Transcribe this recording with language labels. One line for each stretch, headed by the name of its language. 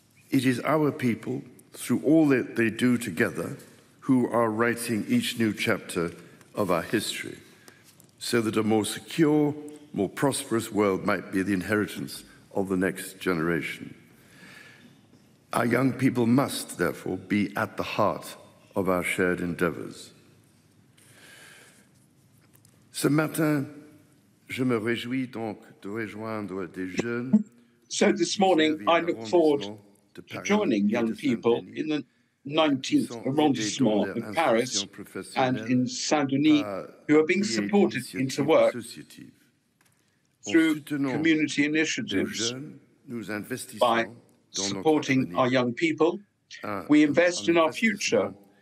English: It is our people, through all that they do together, who are writing each new chapter of our history, so that a more secure, more prosperous world might be the inheritance of the next generation. Our young people must, therefore, be at the heart of our shared endeavours.
French: Ce matin, je me réjouis donc de rejoindre des jeunes.
English: So this morning, I look forward to joining young people in the 19th arrondissement of Paris and in Saint-Denis, who are being supported into work through community initiatives by supporting our young people. We invest in our future